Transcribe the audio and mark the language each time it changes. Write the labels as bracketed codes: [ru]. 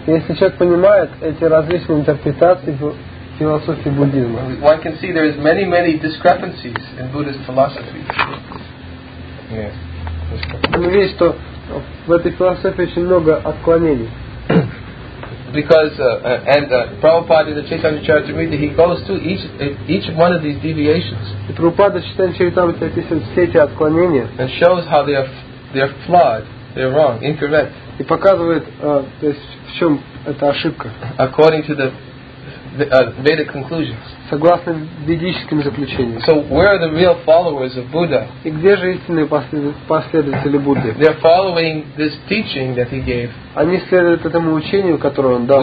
[ru] Если человек понимает эти различные интерпретации философии буддизма. [en] One can see there is many, many discrepancies in Buddhist philosophy. Yes. [ru] Мы видим, что в этой философии очень много отклонений. [en] Because Prabhupada in the Chaitanya Charitamrita he goes to each one of these deviations. [ru] И Прабхупада Чайтанья Чаритамрита описывает все эти отклонения. [en] And shows how they are they're flawed, they're wrong, incorrect. [ru] И показывает, то есть в чем эта ошибка. [en] According to the Vedic conclusions. [ru] Согласно ведическим заключениям. [en] So where are the real followers of Buddha? [ru] И где же истинные последователи Будды? [en] They're following this teaching that he gave. [ru] Они следуют этому учению, которое он дал.